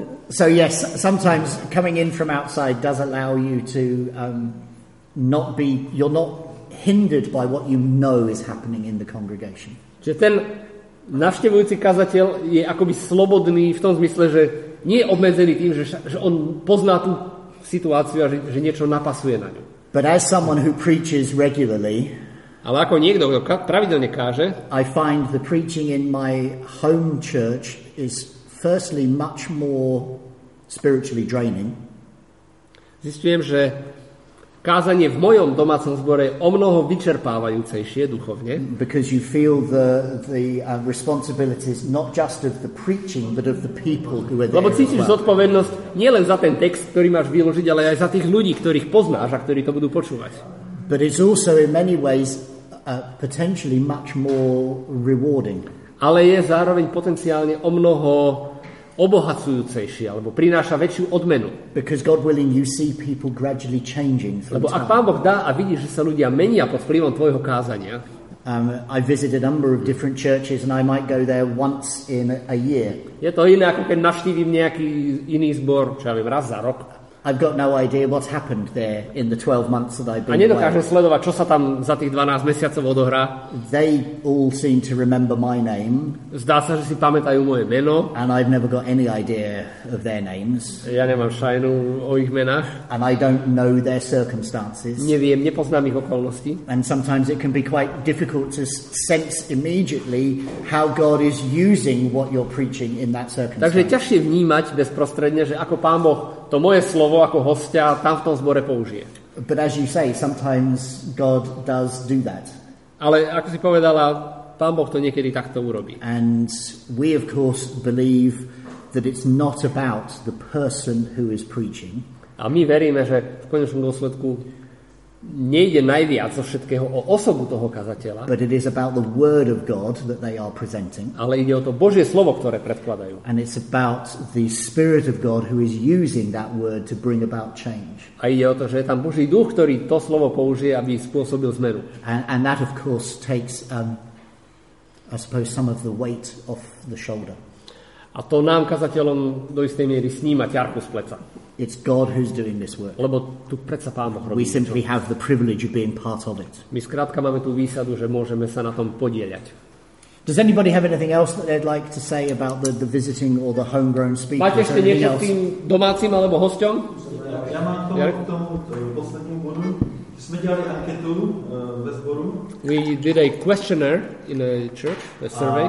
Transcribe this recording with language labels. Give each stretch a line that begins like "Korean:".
English: So yes, sometimes coming in from outside does allow you to not be, you're not hindered by what you know is happening in the congregation.
Slovak: Čiže ten navštevujúci kazateľ je akoby slobodný v tom zmysle, že nie je obmedzený tým, že on pozná tú situáciu a že niečo napasuje na ňu.
English: But as someone who preaches regularly,
Slovak: ale ako niekto, kto pravidelne káže,
English: I find the preaching in my home church is firstly much more spiritually draining.
Slovak: Zistujem, že kázanie v mojom domácom zbore je o mnoho vyčerpávajúcejšie duchovne,
English: because you feel the responsibilities not just of the preaching but of the people who are there.
Slovak: Lebo cítiš zodpovednosť nielen za ten text, ktorý máš vyložiť, ale aj za tých ľudí, ktorých poznáš a ktorí to budú počúvať.
English: But it's also in many ways potentially much more rewarding.
Slovak: Ale je zároveň potenciálne o mnoho obohacujúcejší alebo prináša väčšiu odmenu.
English: Because God willing, you see people gradually changing.
Slovak: Lebo ak Pán Boh dá a vidí, že sa ľudia menia pod vplyvom tvojho kázania.
English: I visit a number of different churches and I might go there once in a year.
Slovak: Je to iné, ako keď navštívim nejaký iný zbor, čo ja viem, raz za rok.
English: I've got no idea what's happened there in the 12 months that I've been.
Slovak: A nedokážem sledovať, čo sa tam za tých 12 mesiacov odohrá.
English: They all seem to remember my name.
Slovak: Zdá sa, že si pamätajú moje meno.
English: And I've never got any idea of their names.
Slovak: Ja nemám šajnu o ich menách.
English: And I don't know their circumstances.
Slovak: Neviem, nepoznám ich okolnosti.
English: And sometimes it can be quite difficult to sense immediately how God is using what you're preaching in that circumstance.
Slovak: Takže je ťažšie vnímať bezprostredne, že ako Pán Boh to moje slovo ako hostia tam v tom zbore použije.
English: But as you say, sometimes God does do that.
Slovak: Ale ako si povedala, Pán Boh to niekedy takto urobí.
English: And we of course believe that it's not about the person who is preaching.
Slovak: A my veríme, že v konečnom dôsledku nejde najviac zo všetkého o osobu toho kazateľa.
English: But it is about the word of God that they are presenting.
Slovak: Ale ide o to Božie slovo, ktoré predkladajú.
English: And it's about the Spirit of God who is using that word to bring about change.
Slovak: A ide o to, že je tam Boží duch, ktorý to slovo použije, aby spôsobil zmenu.
English: And that of course takes I suppose some of the weight off the shoulder.
Slovak: A to nám kazateľom do istej miery sníma ťarchu z pleca.
English: It's God who's doing this work.
Slovak: Lebo tu predsa Pán Boh robí.
English: We simply have the privilege of being part of it.
Slovak: My skrátka máme tú výsadu, že môžeme sa na tom podieľať.
English: Does anybody have anything else that they'd like to say about the visiting or the homegrown speakers?
Slovak: Máte ešte niečo k tým domácim alebo hosťom? Ja mám k tomu poslednému bodu.
Czech: Sme dělali anketu ve sboru.
English: We did a questionnaire in a church, a survey.